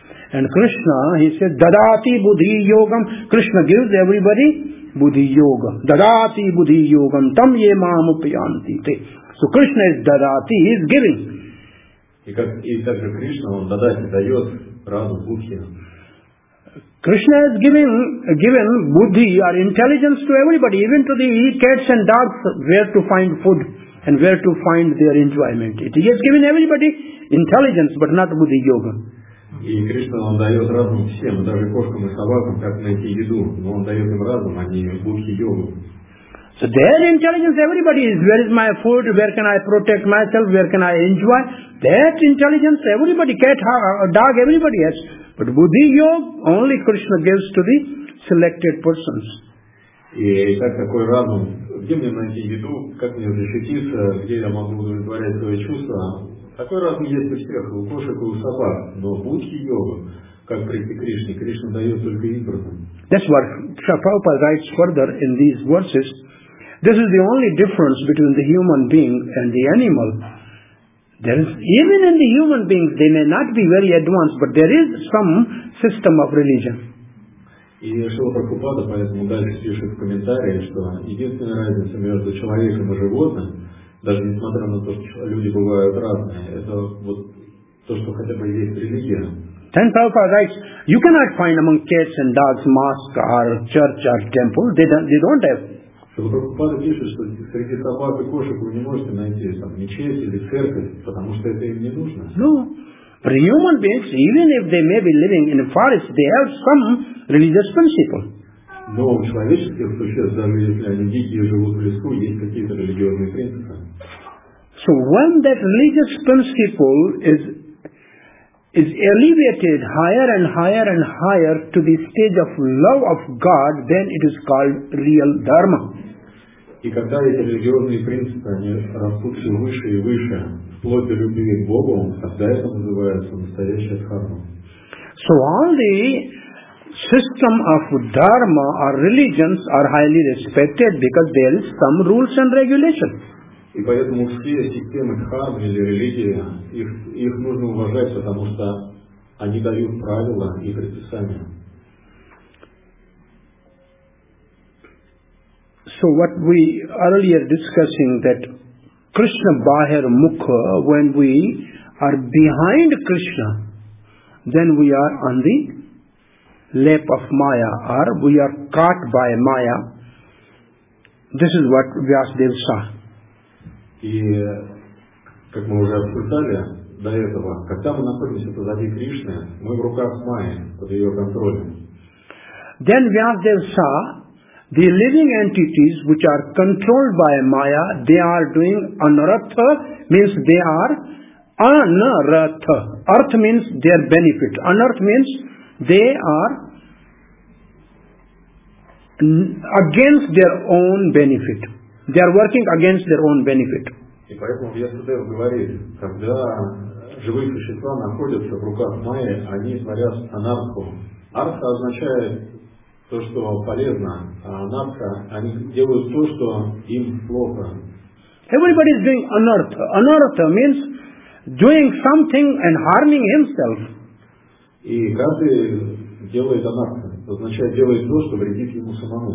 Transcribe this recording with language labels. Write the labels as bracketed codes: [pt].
[en] And Krishna, he says, [sa] дадати будхи йогам. [en] Krishna gives everybody будхи йога. [sa] Дадати будхи йогам. Там є маму пьянти те. [en] So Krishna is дадати, he is giving. [ru] И также Krishna, он дадати дает разум будхи. [en] Krishna has given buddhi or intelligence to everybody, even to the cats and dogs, where to find food and where to find their enjoyment. He has given everybody intelligence, but not buddhi yoga. [ru] И Krishna он дает разум всем, даже кошкам и собакам, как найти еду, но он дает им разум, а не buddhi yoga. [en] So their intelligence, everybody is, where is my food, where can I protect myself, where can I enjoy? That intelligence, everybody, cat, dog, everybody has. But buddhi yoga, only Krishna gives to the selected persons. [ru] И так такой разум, где мне найти еду, как мне защититься, где я могу удовлетворять свои чувства. Такой разум есть у всех, у кошек и у собак. Но buddhi yoga, как прийти к Кришне, Кришна дает только избранным. [en] That's what Sri Prabhupada writes further in these verses. This is the only difference between the human being and the animal. There is, even in the human beings, they may not be very advanced, but there is some system of religion. [ru] И Шрила Прабхупада поэтому дальше пишет в комментарии, что единственная разница между человеком и животным, даже несмотря на то, что люди бывают разные, это вот то, что хотя бы есть религия. [en] Then Prabhupada writes, you cannot find among cats and dogs mosque or church or temple. They don't have. [ru] Шрила Прабхупада пишет, что среди собак и кошек вы не можете найти там мечеть или церковь, потому что это им не нужно. [en] No. But human beings, even if they may be living in a forest, they have some religious principle. [ru] Но у человеческих существ, даже если они дикие, живут в лесу, есть какие-то религиозные принципы. [en] So when that religious principle is elevated higher and higher and higher to the stage of love of God, then it is called real dharma. [ru] И когда эти религиозные принципы они растут все выше и выше, вплоть до любви к Богу, тогда это называется настоящая дхарма. [en] So all the system of dharma or religions are highly respected because there is some rules and regulations. [ru] И поэтому все системы дхармы или религии, их нужно уважать, потому что они дают правила и предписания. [en] So what we earlier discussing that Krishna Bahir Mukha, when we are behind Krishna, then we are on the lap of Maya, or we are caught by Maya. This is what Vyasadeva saw. [ru] И как мы уже обсуждали до этого, когда мы находимся позади Кришны, мы в руках Майи, под ее контролем. [en] Then Vyasadeva saw the living entities which are controlled by Maya, they are doing anartha, means they are anartha. Arth means their benefit. Anartha means they are against their own benefit. They are working against their own benefit. [ru] И поэтому Вьясадев говорит, когда живые существа находятся в руках Майи, они творят анартху. Артха означает то, что полезно, а анартха, они делают то, что им плохо. [en] Everybody is doing anartha. Anartha means doing something and harming himself. [ru] И каждый делает анартху. Означает делает то, что вредит ему самому.